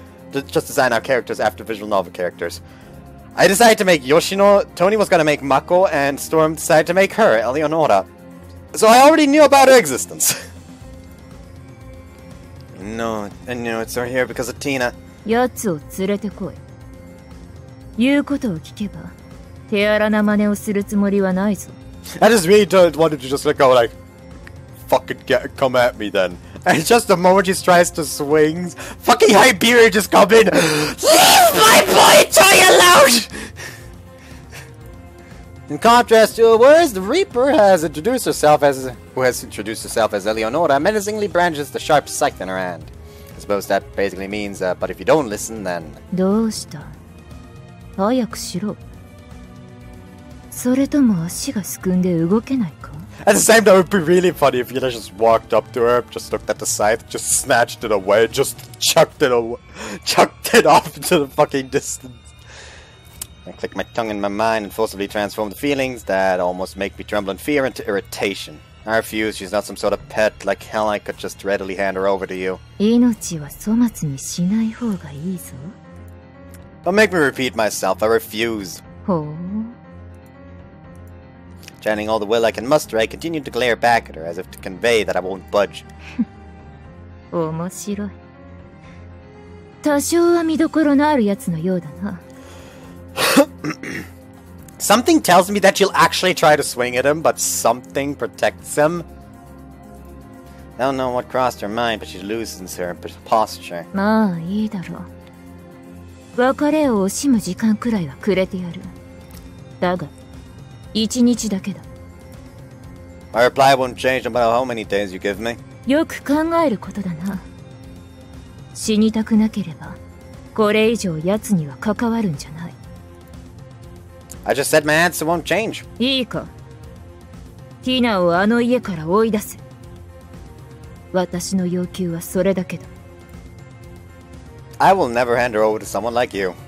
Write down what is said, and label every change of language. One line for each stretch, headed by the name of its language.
English: Just design our characters after visual novel characters. I decided to make Yoshino, Tony was gonna make Mako, and Storm decided to make her, Eleonora. So I already knew about her existence. No, I knew it's right here because of Tina.
Japanese: Yatsu, 連れてこい。言うことを聞けば、手荒な真似をするつもりはないぞ。
English: I just really don't want to just let go, like, fucking get, come at me then. And just the moment she tries to swing, fucking Hyperion just comes in. Leave my boy Toy alone! In contrast to her words, the Reaper has introduced herself as, who has introduced herself as Eleonora, menacingly branches the sharp scythe in her hand. I suppose that basically means, but if you don't listen, then.
Japanese: どうした?早くしろ。それとも足がすくんで動けないか?
English: At the same time, it would be really funny if Yuna just walked up to her, just looked at the scythe, just snatched it away, just chucked it away, chucked it off into the fucking distance. I click my tongue in my mind and forcibly transform the feelings that almost make me tremble in fear into irritation. I refuse, she's not some sort of pet, like hell I could just readily hand her over to you.
Japanese: 命は粗末にしない方がいいぞ。
English: Don't make me repeat myself, I refuse. Ho. Chanting all the will I can muster, I continue to glare back at her as if to convey that I won't budge.
Japanese: 面白い。多少は見どころのあるやつのようだな。
English: Something tells me that she'll actually try to swing at him, but something protects him. I don't know what crossed her mind, but she loses her posture.
Japanese: まあいいだろう。別れを惜しむ時間くらいはくれてやる。だが。一日だけだ。
English: My reply won't change no matter how many days you give me.
Japanese: よく考えることだな。死にたくなければ、これ以上奴には関わるんじゃない。
English: I just said my answer won't change.
Japanese: いいか。ティナをあの家から追い出せ。私の要求はそれだけだ。
English: I will never hand her over to someone like you.